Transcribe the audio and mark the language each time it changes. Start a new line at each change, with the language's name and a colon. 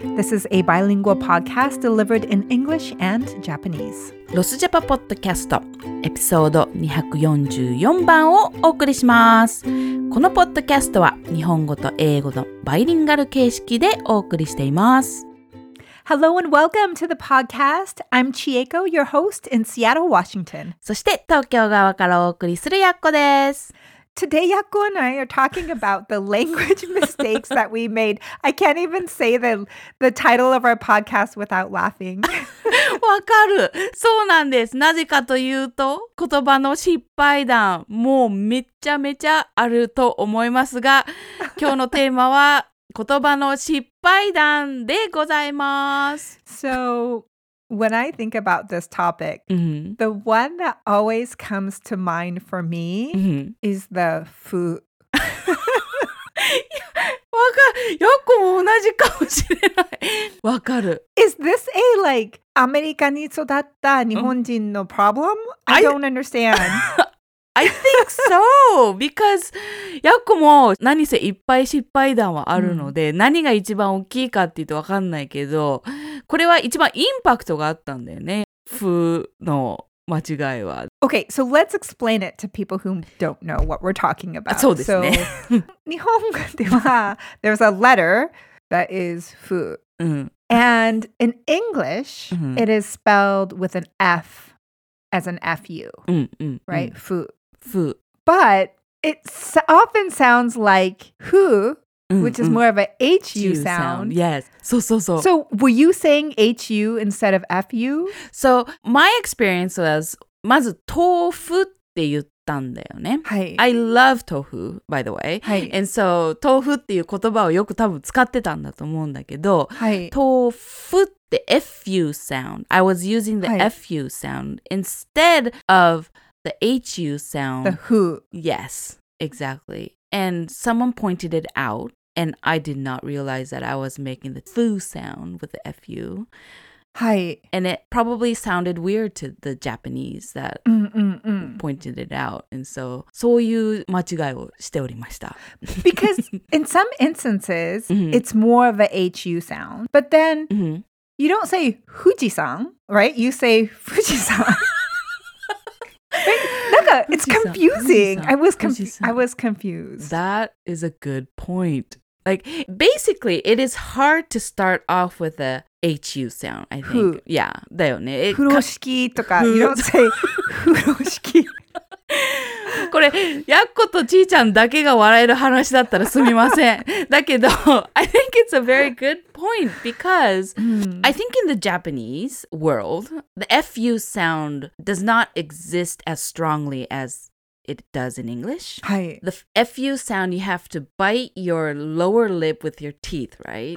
English: This is a bilingual podcast delivered in English and Japanese.
Japanese: ロスジャパポッドキャストエピソード244番をお送りします。このポッドキャストは日本語と英語のバイリンガル形式でお送りしています。
English: Hello and welcome to the podcast. I'm Chieko, your host in Seattle, Washington.
Japanese: そして東京側からお送りするやっこです。
English: Today, Yakko and I are talking about the language mistakes that we made. I can't even say the title of our podcast without laughing.
Japanese: わかる。そうなんです。なぜかというと、言葉の失敗談、もうめちゃめちゃあると思いますが、今日のテーマは言葉の失敗談でございます。
English: So, when I think about this topic, the one that always comes to mind for me is the fu.
Japanese: わかる。よくも同じかもしれない。わかる。
English: Is this a, like,
Japanese: アメリカに育った日本人の
English: problem? I don't understand. I think so, because
Japanese: ヤコも何せいっぱい失敗談はあるので、何が一番大きいかって言うと分かんないけど、これは一番インパクトがあったんだよね、ふの間違いは。
English: Okay, so let's explain it to people who don't know what we're talking about.
Japanese: そうですね。
English: So,
Japanese: 日本語では、
English: there's a letter that is ふ。
Japanese: うん。
English: And in English, it is spelled with an F. As an F-U, right? Fu. Fu. But it often sounds like hu, which is more of a H-U sound. Yes. So, so, so. So, were you saying H-U instead of F-U? So, my experience was,
Japanese: まず豆腐って言ったんだよね。はい。
English: I love tofu, by the way.
Japanese: はい。
English: And so,
Japanese: 豆腐っていう言葉をよく多分使ってたんだと思うんだけど、はい。豆腐って
English: The F-U sound. I was using the F-U sound instead of the H-U sound. The who. Yes, exactly. And someone pointed it out, and I did not realize that I was making the thu sound with the F-U. Hi. And it probably sounded weird to the Japanese that pointed it out. And so,
Japanese: そういう間違いをしておりました。
English: Because in some instances, it's more of a H-U sound. But then... You don't say Fuji-san, right? You say Fuji-san. Naka, it's confusing. I was confused. That is a good point. Like, basically, it is hard to start off with a H-U sound, I think. Fu. Yeah,
Japanese: だよね。
English: Furoshiki
Japanese: とか、
English: you don't say Furoshiki.
Japanese: これ、ヤッコとちーちゃんだけが笑える話だったらすみません。だけど、
English: I think it's a very good point because I think in the Japanese world, the F-U sound does not exist as strongly as it does in English.
Japanese: はい。
English: The F-U sound, you have to bite your lower lip with your teeth, right?